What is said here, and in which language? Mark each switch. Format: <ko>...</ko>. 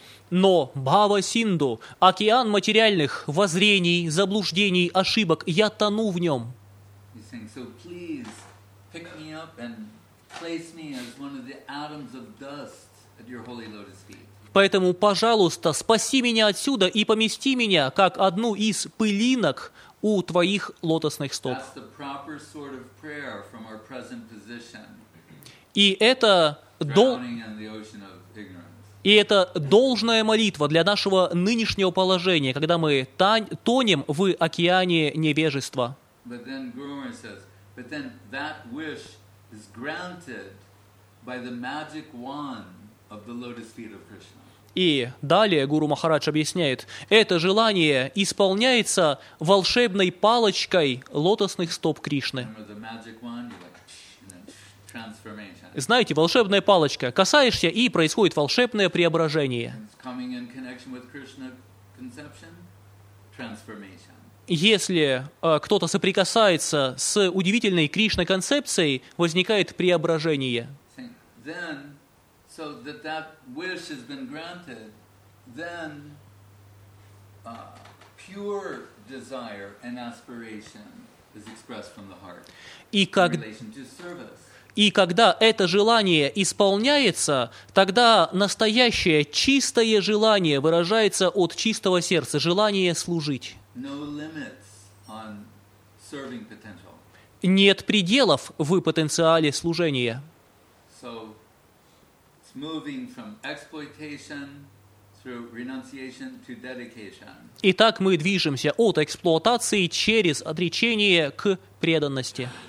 <ru>Но Бхава-синду, океан материальных воззрений, заблуждений, ошибок, я тону в нем.</ru> <en>So please pick me up and place me as one of the atoms of dust at your holy lotus feet.</en> <ru>Поэтому, пожалуйста, спаси меня отсюда и помести меня как одну из пылинок у твоих лотосных стоп.</ru> <en>That's the proper sort of prayer from our present position.</en> <ru>И это</ru> <en>drowning in the ocean of ignorance.</en> <ru>И это должная молитва для нашего нынешнего положения, когда мы тонем в океане невежества.</ru> <en>But then Guru Maharaj says, but then that wish is granted by the magic wand of the lotus feet of Krishna.</en> <ru>И далее Гуру Махарадж объясняет, это желание исполняется волшебной палочкой лотосных стоп Кришны.</ru> <en>Remember the magic wand, you're like, transformation.</en> <ru>Знаете, волшебная палочка, касаешься и происходит волшебное преображение.</ru> <en>And it's coming in connection with Krishna conception, transformation.</en> <ru>если кто-то соприкасается с удивительной Кришной концепцией, возникает преображение.</ru> <en>Then, so that that wish has been granted, then pure desire and aspiration is expressed from the heart.</en> <ru>И когда это желание исполняется, тогда настоящее чистое желание выражается от чистого сердца, желание служить.</ru> <en>No limits on serving potential.</en> <ru>Нет пределов в потенциале служения.</ru> <en>So, it's moving from exploitation through renunciation to dedication.</en> <ru>Итак, мы движемся от эксплуатации через отречение к преданности.</ru>